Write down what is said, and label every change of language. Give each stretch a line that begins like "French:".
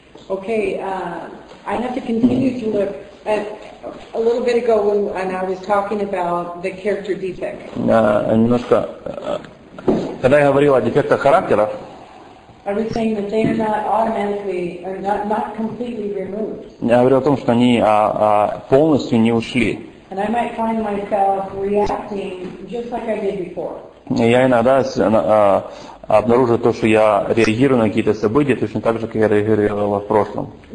English: Okay, I have to continue to look. A little bit ago, when I was talking about the character defect.
Russian: Немножко. Когда я говорил о дефектах характера.
English: I was saying that they are not automatically, or not completely removed.
Russian: Я говорил о том, что они полностью не ушли.
English: And I might find myself reacting just like I did before.
Russian: Я иногда обнаружил то, что я реагирую на какие-то события точно так же, как я реагировал в прошлом.